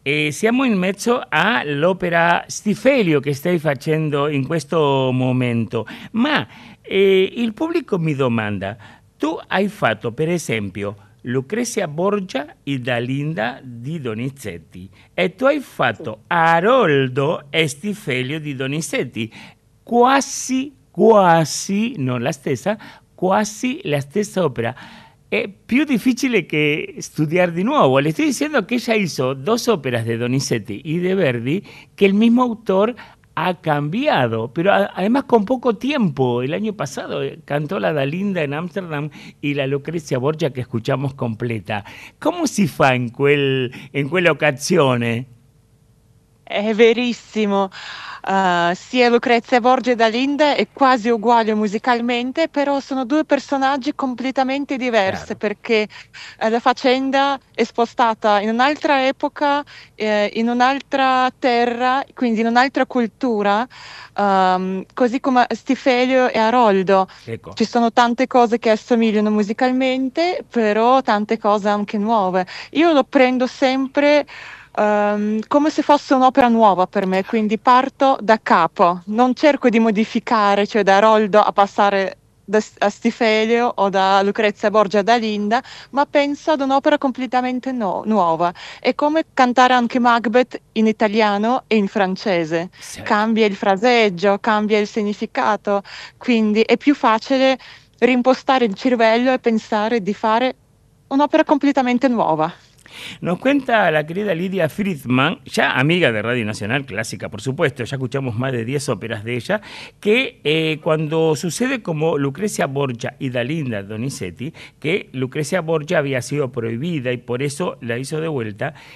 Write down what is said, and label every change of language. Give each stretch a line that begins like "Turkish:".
Italian: siamo in mezzo all'opera Stifelio che stai facendo in questo momento, ma il pubblico mi domanda, tu hai fatto per esempio Lucrezia Borgia e Dalinda di Donizetti e tu hai fatto Aroldo e Stifelio di Donizetti, quasi, non la stessa, quasi la stessa opera. È più difficile che studiare di nuovo. Le sto dicendo che
Spanish: ella hizo dos óperas de Donizetti y de Verdi que el mismo autor ha cambiado, pero además con poco tiempo. El año pasado cantó la Dalinda en Ámsterdam y la Lucrezia Borgia que escuchamos completa.
Italian: ¿Cómo se fa en quella occasione? È verissimo. Sia Lucrezia Borgia e Dalinda è quasi uguale musicalmente, però sono due personaggi completamente diversi, claro. Perché la faccenda è spostata in un'altra epoca, in un'altra terra, quindi in un'altra cultura, così come Stifelio e Aroldo. Ecco. Ci sono tante cose che assomigliano musicalmente, però tante cose anche nuove. Io lo prendo sempre come se fosse un'opera nuova per me, quindi parto da capo, non cerco di modificare, cioè da Aroldo a passare a Stifelio o da Lucrezia Borgia da Linda, ma penso ad un'opera completamente nuova. È come cantare anche Macbeth in italiano e in francese. Sì. Cambia il fraseggio, cambia il significato, quindi è più facile rimpostare il cervello e pensare di fare un'opera completamente nuova.
Spanish: Nos cuenta la querida Lidia Friedman, ya amiga de Radio Nacional Clásica, por supuesto, ya escuchamos más de 10 óperas de ella, que cuando sucede como Lucrezia Borgia y Dalinda Donizetti, que Lucrezia Borgia había sido prohibida y por eso la hizo de vuelta,